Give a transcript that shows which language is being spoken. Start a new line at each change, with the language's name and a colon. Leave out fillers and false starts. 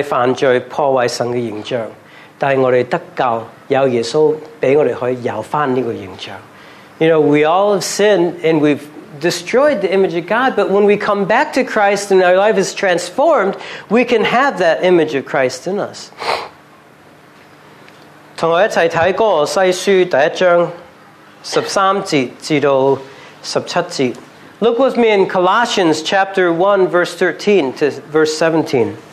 Chinese: 大家,我们犯罪破坏神的形象。但我们得救,有耶稣给我们可以有这个形象。
English: You know, we all have sinned and we've destroyed the image of God, but when we come back to Christ and our life is transformed, we can have that image of Christ in us.
Chinese: 同我一起看《哥罗西书》第一章13节至17节。
English: Look with me in Colossians chapter 1, verse 13 to verse 17.